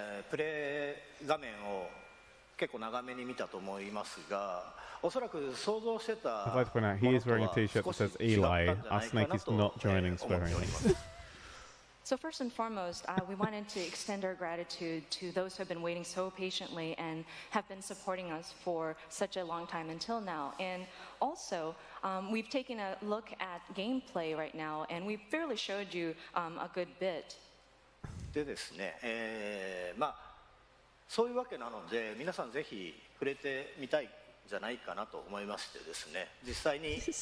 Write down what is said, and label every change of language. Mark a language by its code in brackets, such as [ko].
[ja] プレイ画面を結構長めに見たと思いますが、おそらく想像してたものとは少し違ったんじゃないかなと思っております。 [en] So first and foremost, we wanted to extend our gratitude to those who have been waiting so patiently and have been supporting us for such a long time until now. And also, we've taken a look at gameplay right now, and we've fairly showed you a good bit. [ja] でですね、まあそういうわけなので、皆さんぜひ触れてみたいじゃないかなと思いましてですね、実際に。